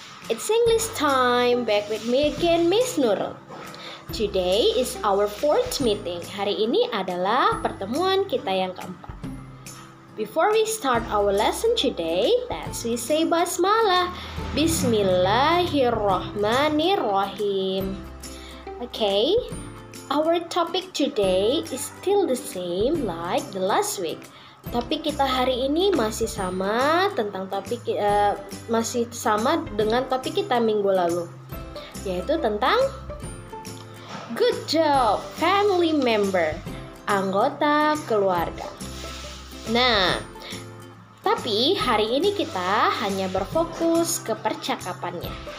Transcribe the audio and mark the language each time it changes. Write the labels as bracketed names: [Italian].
[English] It's English time, back with me again, Miss Nurul. Today is our fourth meeting. [Indonesian] Hari ini adalah pertemuan kita yang keempat. [English] Before we start our lesson today, let's say basmalah. [Arabic] Bismillahirrahmanirrahim. [English] Okay, our topic today is still the same like the last week. [Indonesian] Topik kita hari ini masih sama tentang topik masih sama dengan topik kita minggu lalu, yaitu tentang [English] good job family member, [Indonesian] anggota keluarga. Nah, tapi hari ini kita hanya berfokus ke percakapannya.